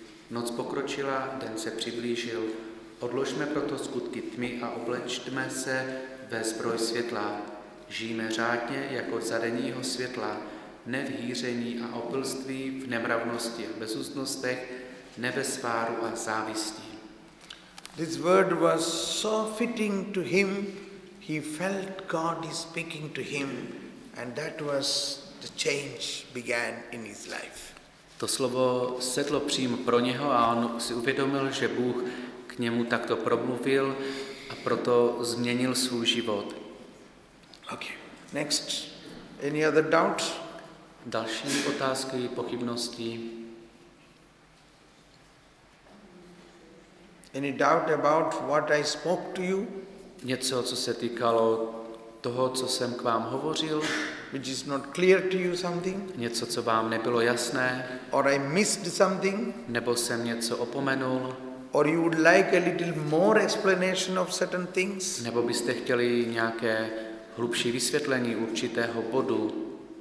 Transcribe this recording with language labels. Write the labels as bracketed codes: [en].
[cs] Noc pokročila, den se přiblížil. Odložme proto skutky tmy a oblečme se ve zbroj světla. Žijme řádně jako za denního světla, ne v hýření a opilství, v nemravnosti a bezúznostech, nebesváru a závistí. [en] This word was so fitting to him, he felt God is speaking to him, and that was the change began in his life. [cs] To slovo sedlo přímo pro něho a on si uvědomil, že Bůh k němu takto promluvil a proto změnil svůj život. [en] Okay. Next. Any other doubt? [cs] Další otázky, pochybnosti? [en] Any doubt about what I spoke to you? [cs] Něco, co se týkalo toho, co jsem k vám hovořil? [en] Which is not clear to you something? [cs] Něco, co vám nebylo jasné? [en] Or I missed something? [cs] Nebo jsem něco opomenul? [en] Or you would like a little more explanation of certain things? [cs] Nebo byste chtěli nějaké hlubší vysvětlení určitého bodu?